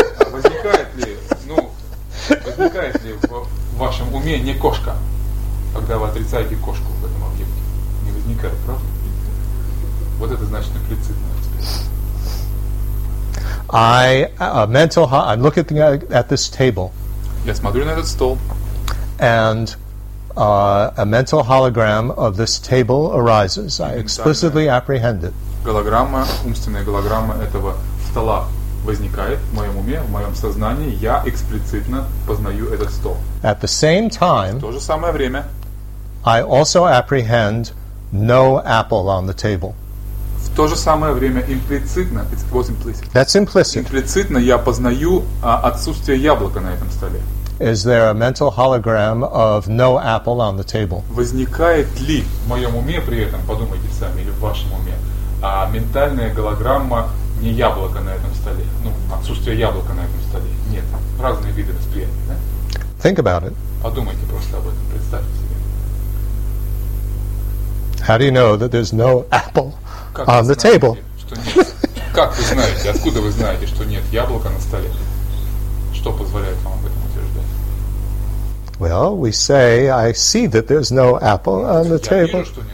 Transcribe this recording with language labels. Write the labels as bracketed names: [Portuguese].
[Russian] Возникает ли в вашем уме не кошка, когда вы когда вы отрицаете кошку в этом объекте. Не возникает, правда? Вот это значит имплицитное. [English] I mental ha- I'm looking at this table. [Russian] Я смотрю на этот стол. [English] And a mental hologram of this table arises. I explicitly apprehend it. [Russian] Голограмма, умственная голограмма этого стола возникает в моем уме, в моем сознании. Я эксплицитно познаю этот стол. [English] At the same time, [Russian] в то же самое время, [English] I also apprehend no apple on the table. [Russian] В то же самое время имплицитно, [English] it was implicit. That's implicit. [Russian] Имплицитно я познаю отсутствие яблока на этом столе. [English] Is there a mental hologram of no apple on the table? [Russian] Возникает ли в моем уме при этом, подумайте сами, или в вашем уме, ментальная голограмма не яблока на этом столе? Ну, отсутствие яблока на этом столе. Нет. Разные виды восприятия, да? [English] Think about it. [Russian] Подумайте просто об этом, представьте себе. [English] How do you know that there's no apple on the table? [Russian] Как вы знаете, откуда вы знаете, что нет яблока на столе? Что позволяет вам об этом? [English] Well, we say, I see that there's no apple on the table.